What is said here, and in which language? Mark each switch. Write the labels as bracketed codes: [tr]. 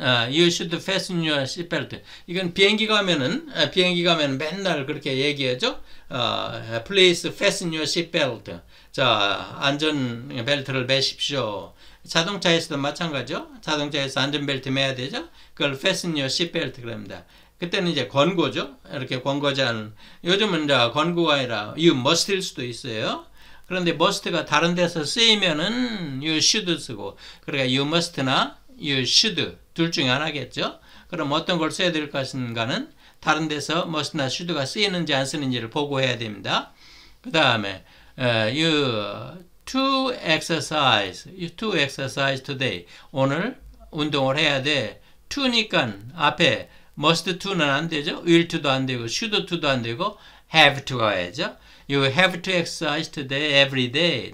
[en] You should fasten your seatbelt. [ko] 이건 비행기 가면은 맨날 그렇게 얘기하죠. [en] Please fasten your seatbelt. [ko] 자, 안전벨트를 매십시오. 자동차에서도 마찬가지죠. 자동차에서 안전벨트 매야 되죠. 그걸 [en] fasten your seatbelt [ko] 그럽니다. 그때는 이제 권고죠. 이렇게 권고자는 요즘은 이제 권고가 아니라 you must일 수도 있어요. 그런데 must가 다른 데서 쓰이면은 you should 쓰고, 그러니까 you must나 you should 둘 중에 하나겠죠. 그럼 어떤 걸 써야 될 것인가는 다른 데서 must나 should가 쓰이는지 안 쓰이는지를 보고해야 됩니다. 그 다음에 [en] you to exercise today. [ko] 오늘 운동을 해야 돼. to니까 앞에 Must to는 안 되죠. Will to도 안 되고, should to도 안 되고, have to 가야죠. [en] You have to exercise today, every day.